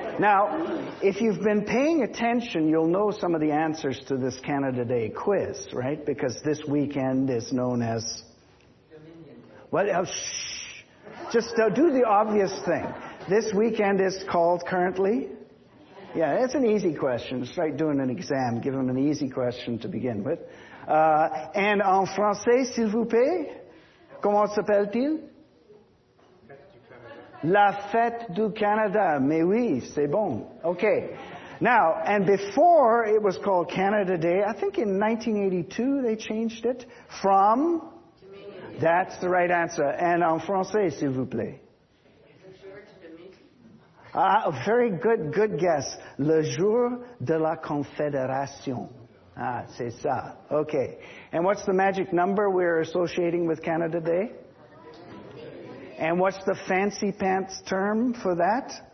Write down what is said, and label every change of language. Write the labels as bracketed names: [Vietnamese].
[English] Now, if you've been paying attention, you'll know some of the answers to this Canada Day quiz, right? Because this weekend is known as... Dominion Day. What? Oh, shh. Just do the obvious thing. This weekend is called currently? Yeah, that's an easy question. It's like doing an exam. Give them an easy question to begin with. [French] And en français, s'il vous plaît, comment s'appelle-t-il? La Fête du Canada. Mais oui, c'est bon. Okay. [English] Now, and before it was called Canada Day, I think in 1982 they changed it from... That's the right answer. [French] And en français, s'il vous plaît. Very good, good guess. Le jour de la Confédération. Ah, c'est ça. Okay. [English] And what's the magic number we're associating with Canada Day? And what's the fancy pants term for that?